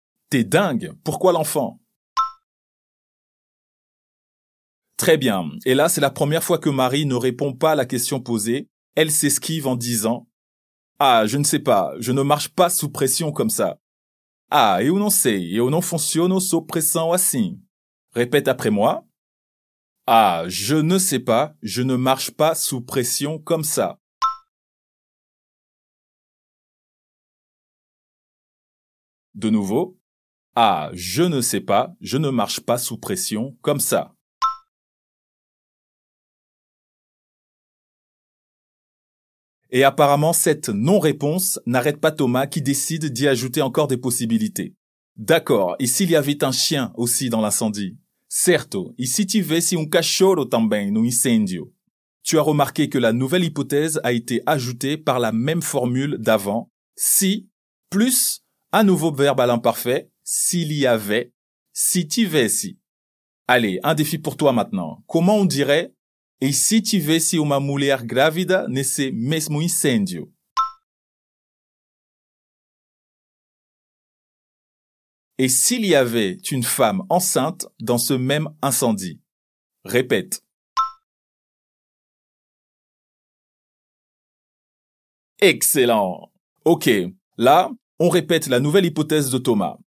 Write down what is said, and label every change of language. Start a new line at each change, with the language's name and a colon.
French: T'es dingue, pourquoi l'enfant? Très bien. Et là, c'est la première fois que Marie ne répond pas à la question posée. Elle s'esquive en disant « Ah, je ne sais pas, je ne marche pas sous pression comme ça.
Portuguese: Ah, eu não sei, eu não funciono sous pressão assim. » Répète après moi.
French: Ah, je ne sais pas, je ne marche pas sous pression comme ça. De nouveau. Ah, je ne sais pas, je ne marche pas sous pression comme ça. Et apparemment, cette non-réponse n'arrête pas Thomas qui décide d'y ajouter encore des possibilités. D'accord, et s'il y avait un chien aussi dans l'incendie?
Portuguese: Certo, e se tivesse um cachorro também no incêndio?
French: Tu as remarqué que la nouvelle hypothèse a été ajoutée par la même formule d'avant. Si, plus un nouveau verbe à l'imparfait, s'il y avait,
Portuguese: si tivesse.
French: Allez, un défi pour toi maintenant. Comment on dirait?
Portuguese: E se tivesse uma mulher grávida nesse mesmo incêndio?
French: Et s'il y avait une femme enceinte dans ce même incendie? Répète. Excellent! Ok, là, on répète la nouvelle hypothèse de Thomas.